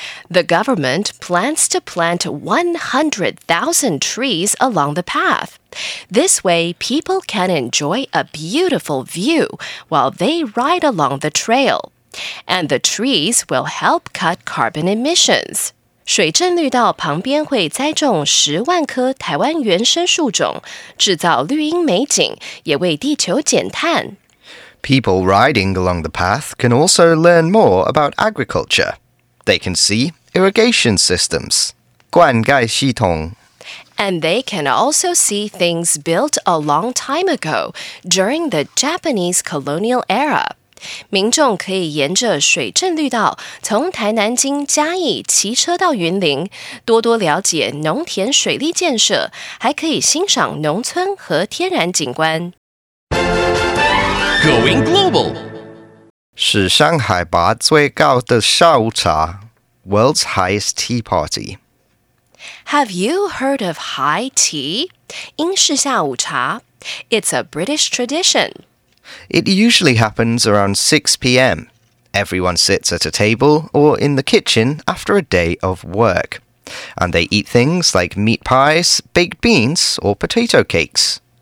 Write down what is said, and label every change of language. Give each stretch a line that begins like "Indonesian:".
English: The government plans to plant 100,000 trees along the path. This way, people can enjoy a beautiful view while they ride along the trail. And the trees will help cut carbon emissions.
Chinese: 水镇绿道旁边会栽种十万棵台湾原生树种，制造绿荫美景，也为地球减碳。
English: People riding along the path can also learn more about agriculture. They can see irrigation systems,
Chinese: 灌溉系统.
English: And they can also see things built a long time ago, during the Japanese colonial era.
Chinese: 民众可以沿着水镇绿道从台南经嘉义骑车到云林，多多了解农田水利建设，还可以欣赏农村和天然景观。
English: Going global.
Chinese: 是上海吧最高的下午茶
English: World's Highest Tea Party. Have you heard of high tea?
Chinese: 英式下午茶?
English: It's a British tradition. It usually happens around 6 p.m. Everyone sits at a table or in the kitchen after a day of work. And they eat things like meat pies, baked beans, or potato cakes.